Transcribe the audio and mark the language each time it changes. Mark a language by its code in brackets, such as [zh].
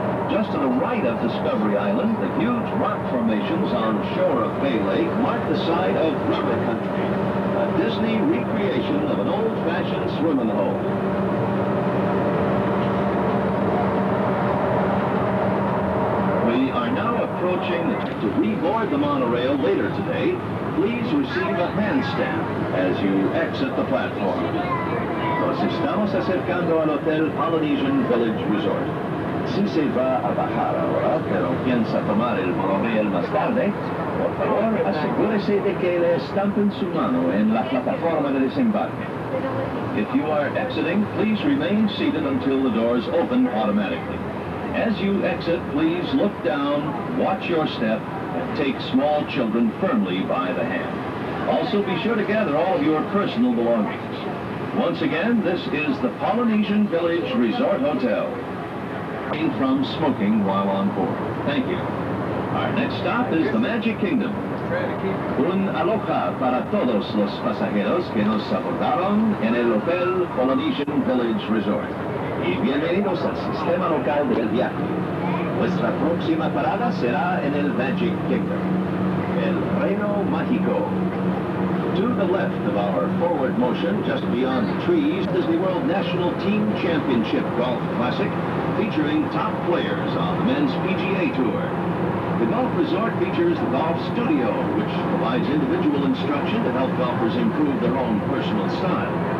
[en] Just to the right of Discovery Island, the huge rock formations on the shore of Bay Lake mark the site of Rubber Country, a Disney recreation of an old-fashioned swimming hole. We are now approaching to reboard the monorail later today. Please receive a hand stamp as you exit the platform. [es] Nos estamos acercando al Hotel Polynesian Village Resort. Si se va a bajar ahora, pero piensa tomar el monorail más tarde, por favor, asegúrese de que le estampen su mano en la plataforma de desembarque. [en] If you are exiting, please remain seated until the doors open automatically. As you exit, please look down, watch your step, and take small children firmly by the hand. Also, be sure to gather all of your personal belongings. Once again, this is the Polynesian Village Resort Hotel. From smoking while on board. Thank you. Our next stop is the Magic Kingdom. [es] Un aloha para todos los pasajeros que nos abordaron en el Hotel Polynesian Village Resort. Y bienvenidos al sistema local del viaje. Nuestra próxima parada será en el Magic Kingdom, el Reino Mágico. [en] To the left of our forward motion, just beyond the trees, is the World National Team Championship Golf Classic, featuring top players on the men's PGA Tour. The golf resort features the golf studio, which provides individual instruction to help golfers improve their own personal style.